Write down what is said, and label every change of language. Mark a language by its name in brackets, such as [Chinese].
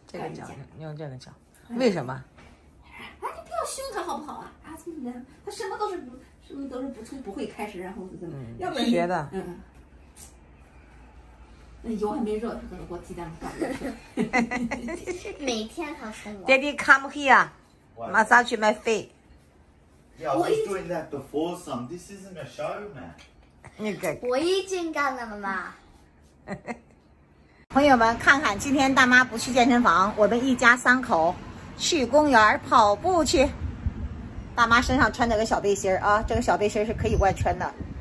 [Chinese] 这个叫，用这个叫，为什么？哎，你不要凶她好不好啊？啊，怎么的？她什么都是不，什么都是不从不会开始，然后怎么？要不别的？嗯，那油还没热，她可能给我鸡蛋倒进去。每天她哄我。 [English] Daddy come here, massage my feet. Yeah, I was doing that before some. This isn't a show, man. You're good. [Chinese] 我已经干了，妈妈。朋友们，看看今天大妈不去健身房，我们一家三口去公园跑步去。大妈身上穿着个小背心啊，这个小背心是可以外穿的。